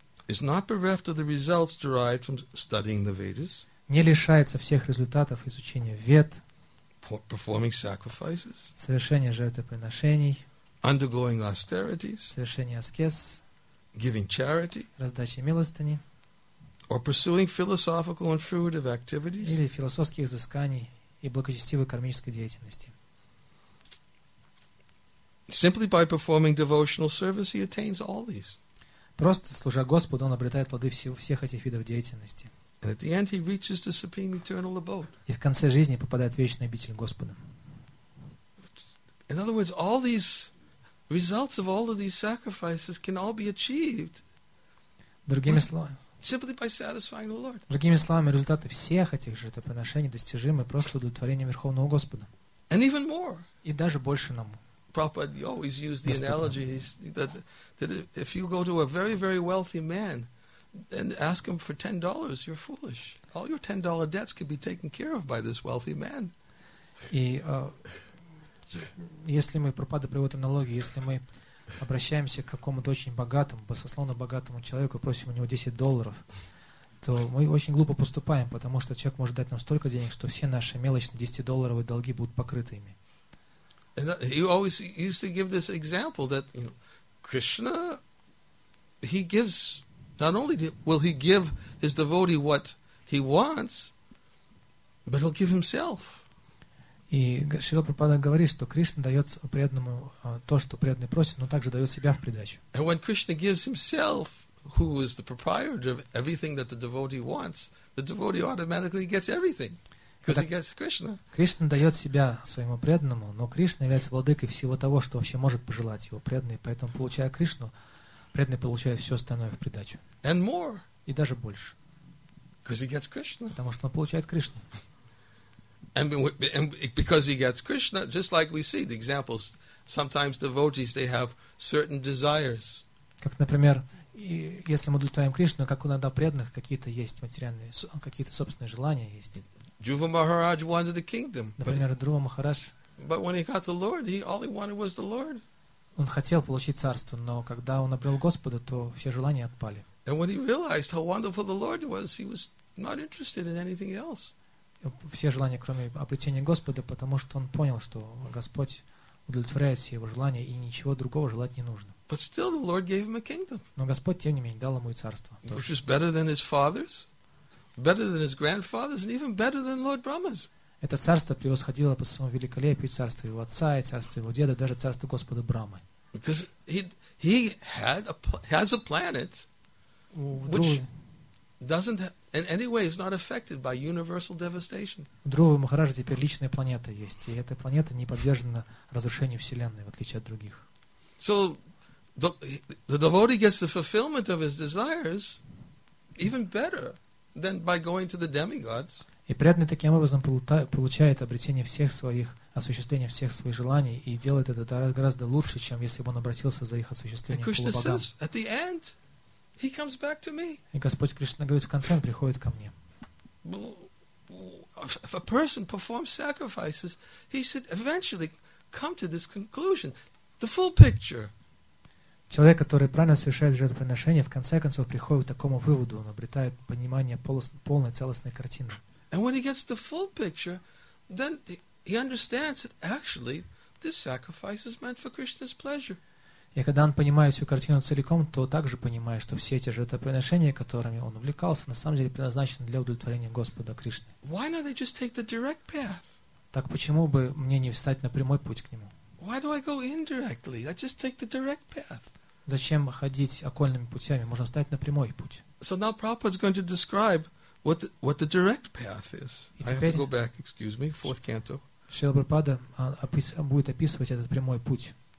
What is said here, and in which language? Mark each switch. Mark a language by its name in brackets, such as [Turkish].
[English] is not bereft of the results derived from studying the Vedas, [Russian] не лишается всех результатов изучения Вед, [English] performing sacrifices, [Russian] совершения жертвоприношений, [English] undergoing austerities, [Russian] совершения аскез, [English] giving charity, [Russian] раздачи милостыни, [English] or pursuing philosophical and fruitive activities, [Russian] или философских изысканий и благочестивой кармической деятельности. [English] Simply by performing devotional service, he attains all these. [Russian] Просто служа Господу, он обретает плоды всех этих видов деятельности. [English] And at the end, he reaches the supreme eternal abode. [Russian] И в конце жизни попадает в вечную обитель Господа. [English] In other words, all these results of all of these sacrifices can all be achieved. [Russian] Другими словами. [English] Simply by satisfying the Lord. [Russian] Другими словами, результаты всех этих жертвоприношений достижимы просто удовлетворением Верховного Господа. [English] And even more. [Russian] И даже больше нам. [English] Prabhupada always used the analogy that if you go to a very, very wealthy man and ask him for $10, you're foolish. All your $10 debts could be taken care of by this wealthy man. [Russian] И если мы, Прабхупада приводит аналогию, если мы обращаемся к какому-то очень богатому, баснословно богатому человеку, просим у него $10, то мы очень глупо поступаем, потому что человек может дать нам столько денег, что все наши мелочные $10 долги будут покрыты ими. [English] And he always used to give this example that, you know, Krishna, he gives, not only will he give his devotee what he wants, but he'll give himself. [Russian] И Шрила Прабхупада говорит, что Кришна дает преданному то, что преданный просит, но также дает себя в придачу. [English] And when Krishna gives himself, who is the proprietor of everything that the devotee wants, the devotee automatically gets everything. [Russian] Кришна дает себя своему преданному, но Кришна является владыкой всего того, что вообще может пожелать его преданный, поэтому, получая Кришну, преданный получает все остальное в придачу. [English] And more. [Russian] И даже больше. [English] Because he gets Krishna. [Russian] Потому что он получает Кришну. [English] And because he gets Krishna, just like we see the examples, sometimes devotees, they have certain desires. [Russian] Как, например, и если мы удовлетворяем Кришну, как иногда преданных какие-то есть материальные, какие-то собственные желания есть. [English] Dhruva Maharaj wanted the kingdom. [Russian] Например, Dhruva Maharaj. [English] But when he got the Lord, all he wanted was the Lord. [Russian] Он хотел получить царство, но когда он обрел Господа, то все желания отпали. [English] And when he realized how wonderful the Lord was, he was not interested in anything else. [Russian] Все желания, кроме обретения Господа, потому что он понял, что Господь удовлетворяет все его желания и ничего другого желать не нужно. [English] But still, the Lord gave him a kingdom. [Russian] Но Господь тем не менее дал ему и царство. [English] Which is better than his father's. Better than his grandfather's, and even better than Lord Brahma's. [Russian] Это царство превосходило по своему великолепию царство его отца и царство его деда, даже царство Господа Брамы. [English] Because he had a has a planet, which doesn't in any way is not affected by universal devastation. [Russian] У Друвы Махараджа теперь личная планета есть, и эта планета не подвержена разрушению вселенной в отличие от других. [English] So the devotee gets the fulfillment of his desires, even better. Then by going to the demigods. [Russian] И преданный таким образом получает обретение всех своих осуществлений всех своих желаний и делает это гораздо лучше, чем если бы он обратился за их осуществлением к полубогам. [English] And Krishna says, at the end, he comes back to me. [Russian] И Господь Кришна говорит, в конце он приходит ко мне. [English] If a person performs sacrifices, he should eventually come to this conclusion, the full picture. [Russian] Человек, который правильно совершает жертвоприношение, в конце концов приходит к такому выводу, он обретает понимание полной целостной картины. [English] And when he gets the full picture, then he understands that actually this sacrifice is meant for Krishna's pleasure. [Russian] И когда он понимает всю картину целиком, то также понимает, что все эти жертвоприношения, которыми он увлекался, на самом деле предназначены для удовлетворения Господа Кришны. [English] Why not I just take the direct path? [Russian] Так почему бы мне не встать на прямой путь к нему? [English] Why do I go indirectly? I just take the direct path. [Russian] Зачем ходить окольными путями? Можно встать на прямой путь. [English] So now Prabhupada is going to describe what the direct path is. I have to go back, excuse me, fourth canto. [Russian] Шрила Прабхупада будет описывать этот прямой путь.